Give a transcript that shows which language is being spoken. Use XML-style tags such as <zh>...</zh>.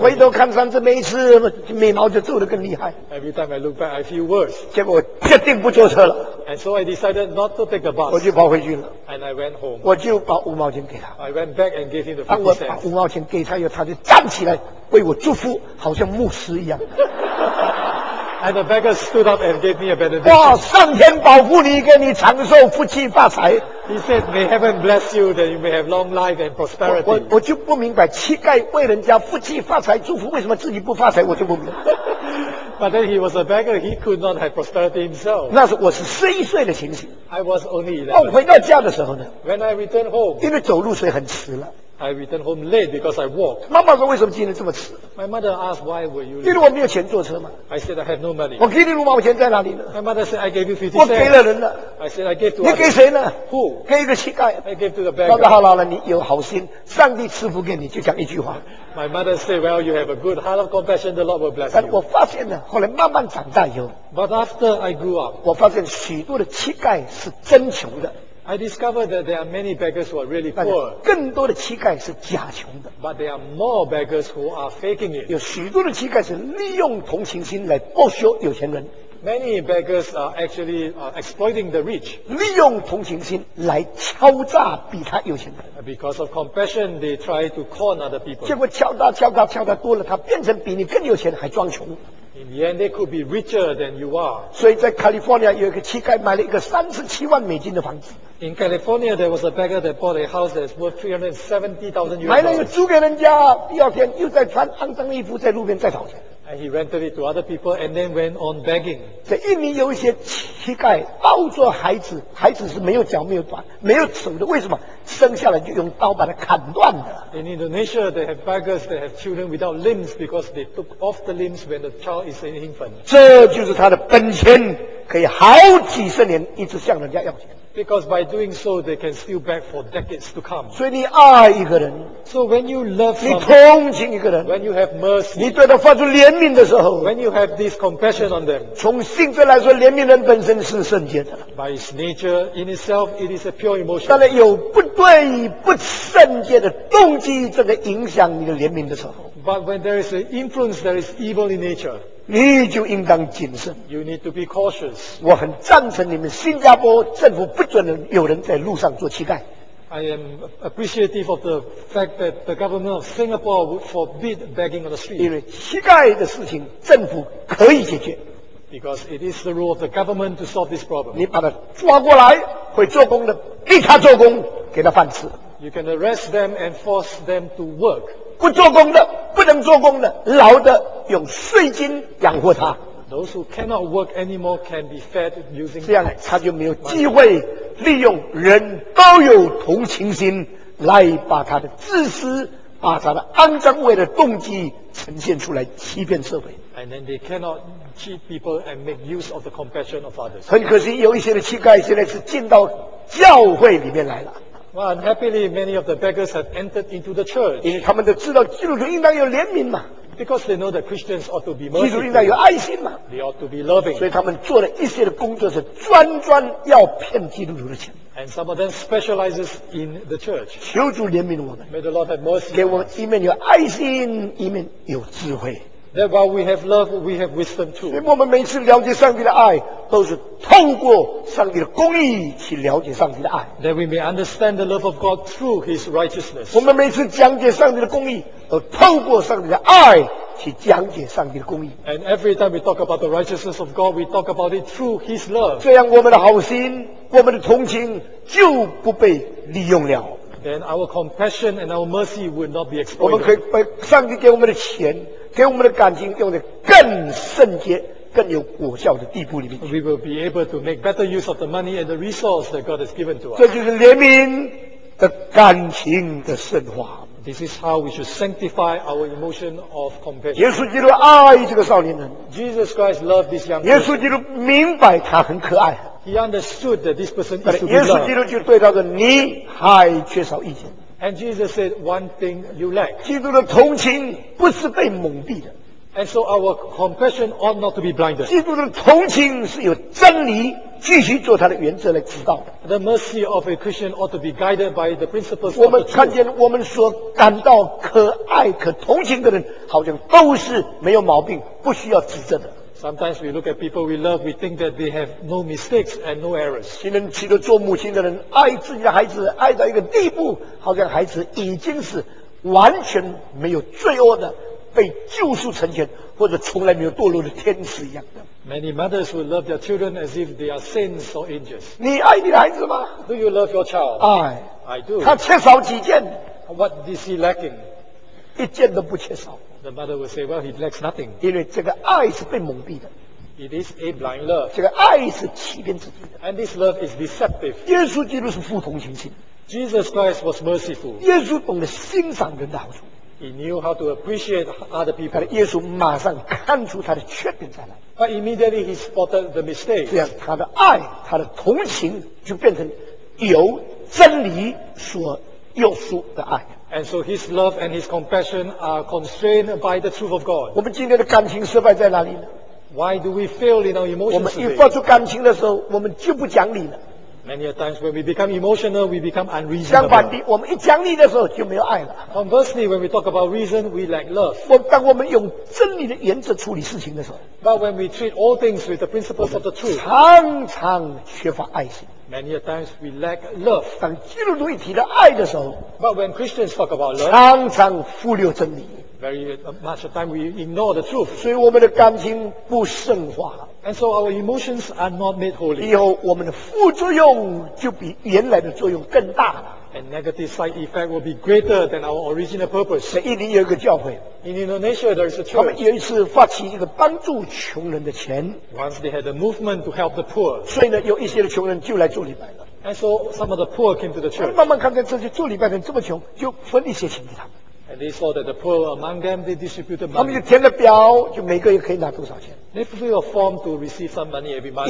<zh>回头看上次每一次眉毛就皱得更厉害。</zh> <en>Every time I look back, I feel worse.</en> <zh>结果我决定不坐车了。</zh> <en>And so I decided not to take a bus.</en> <zh>我就跑回去了。</zh> <en>And I went home.</en> <zh>我就把五毛钱给他。</zh> <en>I went back and gave him the 50 cents.</en> <zh>当我把五毛钱给他以后，他就站起来。为我祝福，好像牧师一样。</zh> <en>And the beggar stood up and gave me a benediction.</en> <zh>哇，上天保护你，给你长寿、福气、发财。</zh> <en>He said, "May heaven bless you that you may have long life and prosperity."</en> <zh>我就不明白，乞丐为人家福气、发财、祝福，为什么自己不发财？我就不明白。</zh> <en>But then he was a beggar; he could not have prosperity himself.</en> <zh>那是我是十一岁的情形。</zh> <en>I was only 11.</en> <zh>我回到家的时候呢</zh> <en>？When I returned home.</en> <zh>因为走路所以很迟了。</zh> <en>I returned home late because I walked.</en> <zh>妈妈说为什么今天这么迟</zh> <en>？My mother asked why were you late?</en> <zh>因为我没有钱坐车嘛。</zh> <en>I said I have no money.</en> <zh>我给你五毛钱在哪里呢</zh> <en>？My mother said I gave you 50 cents.</en> <zh>我给了人了。</zh> <en>I said I gave to.</en> <zh>你给谁呢</zh> <en>？Who?</en> <zh>给一个乞丐。</zh> <en>I gave to the beggar.</en> <zh>妈妈好老了，你有好心，上帝赐福给你，就讲一句话。</zh> <en>My mother said, "Well, you have a good heart of compassion. The Lord will bless you."</en> <zh>但我发现呢，后来慢慢长大以后</zh> <en>，But after I grew up,</en> <zh>我发现许多的乞丐是真穷的。</zh> <en>I discovered that there are many beggars who are really poor.</en> <zh>更多的乞丐是假穷的。</zh> <en>But there are more beggars who are faking it.</en> <zh>有许多的乞丐是利用同情心来剥削有钱人。</zh> <en>Many beggars are actually exploiting the rich.</en> <zh>利用同情心来敲诈比他有钱的。</zh> <en>Because of compassion, they try to con other people.</en> <zh>结果敲诈多了，他变成比你更有钱还装穷。</zh> <en>In the end, they could be richer than you are.</en> <zh>所以在 California 有一个乞丐买了一个37万美金的房子。</zh> <en>In California, there was a beggar that bought a house that's worth $370,000.</en> <zh>买了又租给人家，第二天又在穿肮脏的衣服在路边再讨钱。</zh> <en>And he rented it to other people and then went on begging.</en> <zh>在印尼有一些乞丐抱着孩子，孩子是没有脚、没有腿、没有手的，为什么？生下来就用刀把它砍断的。</zh> <en>In Indonesia, they have beggars that have children without limbs because they took off the limbs when the child is an infant.</en> <zh>这就是他的本钱，可以好几十年一直向人家要钱。</zh> <en>Because by doing so, they can still beg for decades to come.</en> <zh>所以你爱一个人，</zh> <en>so when you love someone,</en> <zh>你同情一个人，</zh> <en>when you have mercy,</en> <zh>你对他发出怜悯的时候，</zh> <en>when you have this compassion on them,</en> <zh>从性质来说，怜悯人本身是圣洁的。</zh> <en>By its nature, in itself, it is a pure emotion.</en> <zh>当然有不对不圣洁的动机，这个影响你的怜悯的时候。</zh> <en>But when there is an influence that is evil in nature.</en> <zh>你就应当谨慎。</zh> <en>You need to be cautious.</en> <zh>我很赞成你们新加坡政府不准有人在路上做乞丐。</zh> <en>I am appreciative of the fact that the government of Singapore would forbid begging on the street.</en> <zh>因为乞丐的事情政府可以解决。</zh> <en>Because it is the rule of the government to solve this problem.</en> <zh>你把他抓过来，会做工的，逼他做工，给他饭吃。</zh> <en>You can arrest them and force them to work.</en> <zh>不做工的，不能做工的，老的用税金养活他。</zh> <en>Those who cannot work anymore can be fed using.</en> <zh>这样他就没有机会利用人都有同情心来把他的自私、把他的肮脏味的动机呈现出来，欺骗社会。</zh> <en>And then they cannot cheat people and make use of the compassion of others.</en> <zh>很可惜，有一些的乞丐现在是进到教会里面来了。</zh> <en>Well, unhappily, many of the beggars have entered into the church.</en> <zh>因为他们都知道基督徒应当有怜悯嘛。</zh> <en>Because they know that Christians ought to be merciful.</en> <zh>基督徒应当有爱心嘛。</zh> <en>They ought to be loving.</en> <zh>所以他们做了一些的工作是专专要骗基督徒的钱。</zh> <en>And some of them specializes in the church.</en> <zh>求主怜悯我们。</zh> <en>May the Lord have mercy.</en> <zh>给我们一面有爱心，一面有智慧。</zh> <en>That while we have love, we have wisdom too.</en> <zh>所以我们每次了解上帝的爱，都是透过上帝的公义去了解上帝的爱。</zh> <en>That we may understand the love of God through His righteousness.</en> <zh>我们每次讲解上帝的公义，都透过上帝的爱去讲解上帝的公义。</zh> <en>And every time we talk about the righteousness of God, we talk about it through His love.</en> <zh>这样我们的好心，我们的同情就不被利用了。</zh> <en>Then our compassion and our mercy would not be exploited.</en> <zh>我们可以把上帝给我们的钱。给我们的感情用在更圣洁、更有果效的地步里面。</zh> <en>We will be able to make better use of the money and the resource that God has given to us.</en> <zh>这就是怜悯的感情的深化。</zh> <en>This is how we should sanctify our emotion of compassion.</en> <zh>耶稣基督爱这个少年人。</zh> <en>Jesus Christ loved this young man.</en> <zh>耶稣基督明白他很可爱。</zh> <en>He understood that this person is to be loved.</en> <zh>耶稣基督就对他说：“你还缺少一点。”</zh> <en>And Jesus said, "One thing you lack."</en> <zh>基督的同情不是被蒙蔽的。</zh> <en>And so our compassion ought not to be blinded.</en> <zh>基督的同情是有真理继续做他的原则来指导的。</zh> <en>The mercy of a Christian ought to be guided by the principles of the truth.</en> <zh>我们看见我们所感到可爱可同情的人，好像都是没有毛病，不需要指正的。</zh> <en>Sometimes we look at people we love, we think that they have no mistakes and no errors.</en> <zh>今天许多做母亲的人爱自己的孩子，爱到一个地步，好像孩子已经是完全没有罪恶的，被救赎成全，或者从来没有堕落的天使一样的。</zh> <en>Many mothers will love their children as if they are saints or angels.</en> <zh>你爱你的孩子吗？</zh> <en>Do you love your child? I do.</en> <zh>他缺少几件？</zh> <en>What is he lacking?</en> <zh>一件都不缺少。</zh> <en>The mother will say, "Well, he lacks nothing."</en> <zh>因为这个爱是被蒙蔽的。</zh> <en>It is a blind love.</en> <zh>这个爱是欺骗自己的。</zh> <en>And this love is deceptive.</en> <zh>耶稣基督是富同情心。</zh> <en>Jesus Christ was merciful.</en> <zh>耶稣懂得欣赏人的好处。</zh> <en>He knew how to appreciate other people.</en> <zh>耶稣马上看出他的缺点在哪。</zh> <en>But immediately he spotted the mistake.</en> <zh>这样他的爱，他的同情就变成由真理所约束的爱。</zh> <en>And so his love and his compassion are constrained by the truth of God.</en> <zh>我们今天的感情失败在哪里呢？</zh> <en>Why do we fail in our emotions?</en> <zh>我们一发出感情的时候，我们就不讲理了。</zh> <en>Many a times when we become emotional, we become unreasonable.</en> <zh>相反的，我们一讲理的时候就没有爱了。</zh> <en>Conversely, when we talk about reason, we lack love.</en> <zh>当我们用真理的原则处理事情的时候，</zh> <en>But when we treat all things with the principles of the truth,</en> <zh>常常缺乏爱心。</zh> <en>Many a times we lack love.</en> <zh>当基督徒一提到爱的时候，</zh> <en>But when Christians talk about love,</en> <zh>常常忽略真理。</zh> <en>very much time we ignore the truth.</en> <zh>所以我们的感情不圣化。</zh> <en>And so our emotions are not made holy.</en> <zh>以后我们的副作用就比原来的作用更大了。</zh> <en>And negative side effect will be greater than our original purpose.</en> <zh>在印尼有一个教会。</zh> <en>In Indonesia, there is a church.</en> <zh>他们有一次发起一个帮助穷人的钱。</zh> <en>Once they had a movement to help the poor.</en> <zh>所以呢，有一些的穷人就来做礼拜了。</zh> <en>And so some of the poor came to the church.</en> <zh>慢慢看看这些做礼拜的人这么穷，就分一些钱给他们。</zh> <en>And they saw that the poor among them, they distributed money.</en> <zh>他们就填了表，就每个月可以拿多少钱。</zh> <en>They fulfill a form to receive some money every month.</en>